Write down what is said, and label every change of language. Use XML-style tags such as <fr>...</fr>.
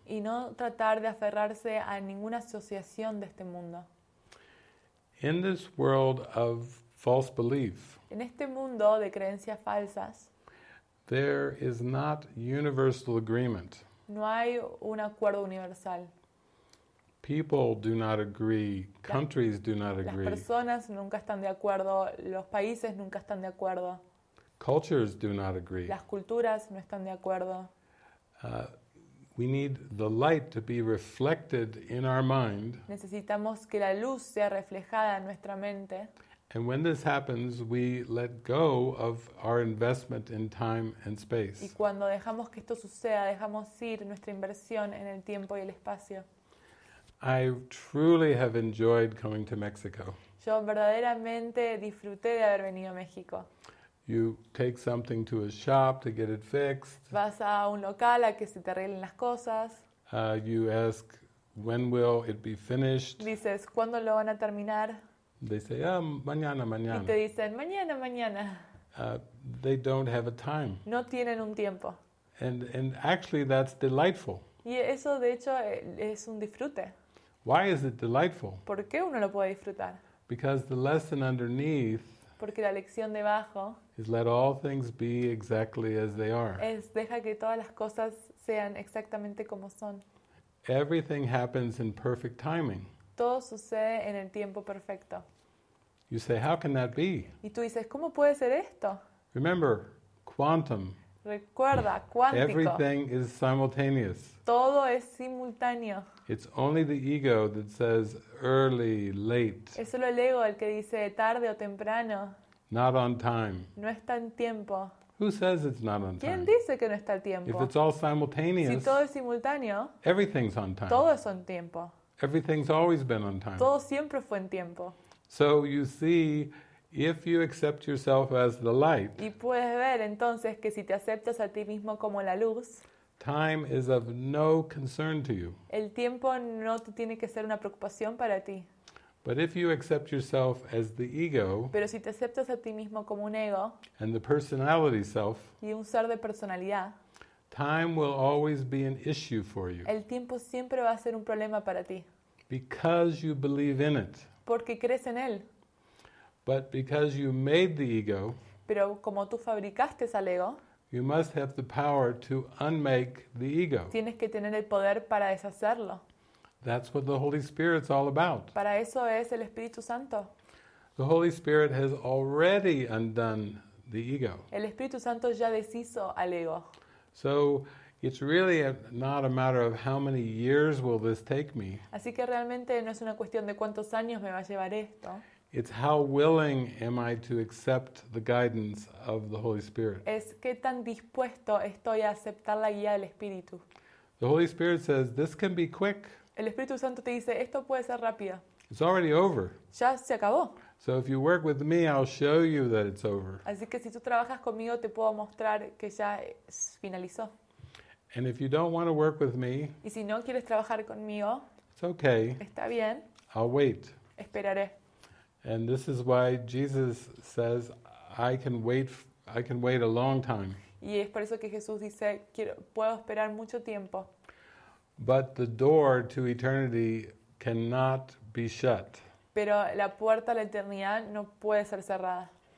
<es>Y no tratar de aferrarse a ninguna asociación de este mundo.</es> <en>In this world of false belief.</en> <es>En este mundo de creencias falsas.</es> <en>There is not universal agreement.</en> <es>No hay un acuerdo universal.</es> <en>People do not agree. Countries do not agree.</en> <es>Las personas nunca están de acuerdo. Los países nunca están de acuerdo.</es> <en>Cultures do not agree.</en> <es>Las culturas no están de acuerdo.</es> <en>We need the light to be reflected in our mind.</en> <es>Necesitamos que la luz sea reflejada en nuestra mente.</es> <en>And when this happens, we let go of our investment in time and space.</en> <es>Y cuando dejamos que esto suceda, dejamos ir nuestra inversión en el tiempo y el espacio.</es> <en>I truly have enjoyed coming to Mexico.</en> <es>Yo verdaderamente disfruté de haber venido a México.</es> <en>You take something to a shop to get it fixed.</en> <es>Vas a un local a que se te arreglen las cosas.</es> <en>You ask, when will it be finished?</en> <es>Dices, ¿cuándo lo van a terminar?</es> <en>They say, ah, mañana, mañana.</en> <es>Y te dicen, mañana, mañana.</es> <en>They don't have a time.</en> <es>No tienen un tiempo.</es> <en>And actually, that's delightful.</en> <es>Y eso, de hecho, es un disfrute.</es> <en>Why is it delightful?</en> <es>¿Por qué uno lo puede disfrutar?</es> <en>Because the lesson underneath.</en> <es>Porque la lección debajo.</es> <en>Is let all things be exactly as they are.</en> <es>Es deja que todas las cosas sean exactamente como son.</es> <en>Everything happens in perfect timing.</en> <es>Todo sucede en el tiempo perfecto.</es> <en>You say, how can that be?</en> <es>Y tú dices, ¿cómo puede ser esto?</es> <en>Remember, quantum.</en> <es>Recuerda, cuántico.</es> <en>Everything is simultaneous.</en> <es>Todo es simultáneo.</es> <en>It's only the ego that says early, late.</en> <es>Es solo el ego el que dice tarde o temprano.</es> <en>Not on time.</en> <es>No está en tiempo.</es> <en>Who says it's not on time?</en> <es>¿Quién dice que no está al tiempo?</es> <en>If it's all simultaneous.</en> <es>Si todo es simultáneo.</es> <en>Everything's on time.</en> <es>Todo es en tiempo.</es> <en>Everything's always been on time.</en> <es>Todo siempre fue en tiempo.</es> <en>So you see, if you accept yourself as the light,</en> <es>y puedes ver entonces que si te aceptas a ti mismo como la luz,</es> <en>time is of no concern to you.</en> <es>El tiempo no tiene que ser una preocupación para ti.</es> <en>But if you accept yourself as the ego,</en> <es>pero si te aceptas a ti mismo como un ego,</es> <en>and the personality self,</en> <es>y un ser de personalidad,</es> <en>time will always be an issue for you.</en> <es>El tiempo siempre va a ser un problema para ti.</es> <en>Because you believe in it.</en> <es>Porque crees en él.</es> <en>But because you made the ego,</en> <es>pero como tú fabricaste al ego,</es> <en>you must have the power to unmake the ego.</en> <es>Tienes que tener el poder para deshacerlo.</es> <en>That's what the Holy Spirit's all about.</en> <es>Para eso es el Espíritu Santo.</es> <en>The Holy Spirit has already undone the ego.</en> <es>El Espíritu Santo ya deshizo al ego.</es> <en>So it's really not a matter of how many years will this take me.</en> <es>Así que realmente no es una cuestión de cuántos años me va a llevar esto.</es> <en>It's how willing am I to accept the guidance of the Holy Spirit.</en> <es>Es qué tan dispuesto estoy a aceptar la guía del Espíritu.</es> <en>The Holy Spirit says this can be quick.</en> <es>El Espíritu Santo te dice, esto puede ser rápido.</es> <en>It's already over.</en> <es>Ya se acabó.</es> <en>So if you work with me, I'll show you that it's over.</en> <es>Así que si tú trabajas conmigo, te puedo mostrar que ya finalizó.</es> <en>And if you don't want to work with me,</en> <es>y si no quieres trabajar conmigo,</es> <en>it's okay.</en> <es>Está bien.</es> <en>I'll wait.</en> <es>Esperaré.</es> <en>And this is why Jesus says, I can wait a long time.</en> <es>Y es por eso que Jesús dice, puedo esperar mucho tiempo.</es> <en>But the door to eternity cannot be shut.</en> <es>Pero la puerta a la eternidad no puede ser cerrada.</es>